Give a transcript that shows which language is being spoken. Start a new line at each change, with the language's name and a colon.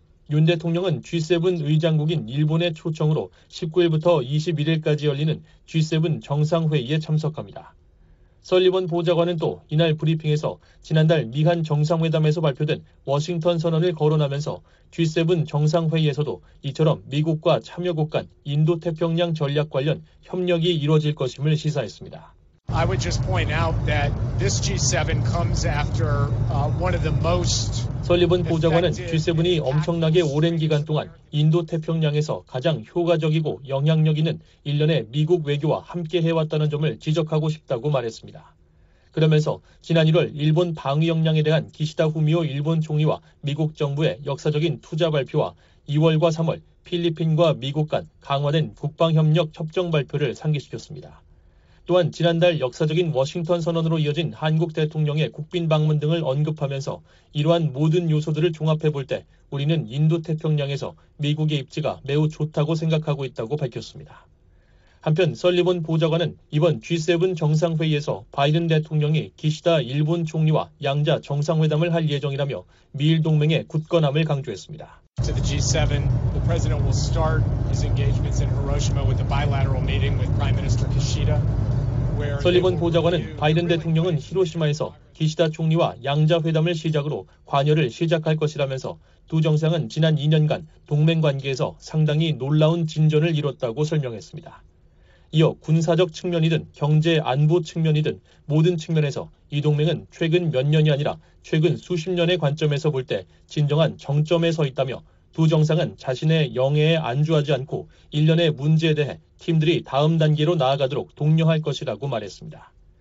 Korean: 윤 대통령은 G7 의장국인 일본의 초청으로 19일부터 21일까지 열리는 G7 정상회의에 참석합니다. 설리번 보좌관은 또 이날 브리핑에서 지난달 미한 정상회담에서 발표된 워싱턴 선언을 거론하면서 G7 정상회의에서도 이처럼 미국과 참여국 간 인도태평양 전략 관련 협력이 이루어질 것임을 시사했습니다.
English: I would just point out that this G7 comes after one of the most.
Korean: 설리번 보좌관은 G7이 엄청나게 오랜 기간 동안 인도태평양에서 가장 효과적이고 영향력 있는 일련의 미국 외교와 함께 해왔다는 점을 지적하고 싶다고 말했습니다. 그러면서 지난 1월 일본 방위 역량에 대한 기시다 후미오 일본 총리와 미국 정부의 역사적인 투자 발표와 2월과 3월 필리핀과 미국 간 강화된 국방협력 협정 발표를 상기시켰습니다. 또한 지난달 역사적인 워싱턴 선언으로 이어진 한국 대통령의 국빈 방문 등을 언급하면서 이러한 모든 요소들을 종합해 볼 때 우리는 인도태평양에서 미국의 입지가 매우 좋다고 생각하고 있다고 밝혔습니다. 한편 설리번 보좌관은 이번 G7 정상회의에서 바이든 대통령이 기시다 일본 총리와 양자 정상회담을 할 예정이라며 미일 동맹의 굳건함을 강조했습니다.
English: To the G7, the president will start his engagements in Hiroshima with a bilateral meeting with Prime Minister Kishida.
Korean: 설리번 보좌관은 바이든 대통령은 히로시마에서 기시다 총리와 양자 회담을 시작으로 관여를 시작할 것이라면서 두 정상은 지난 2년간 동맹 관계에서 상당히 놀라운 진전을 이뤘다고 설명했습니다. 이어 군사적 측면이든 경제 안보 측면이든 모든 측면에서 이 동맹은 최근 몇 년이 아니라 최근 수십 년의 관점에서 볼 때 진정한 정점에 서 있다며 두 정상은 자신의 영예에 안주하지 않고 일련의 문제에 대해 팀들이 다음 단계로 나아가도록 독려할 것이라고 말했습니다.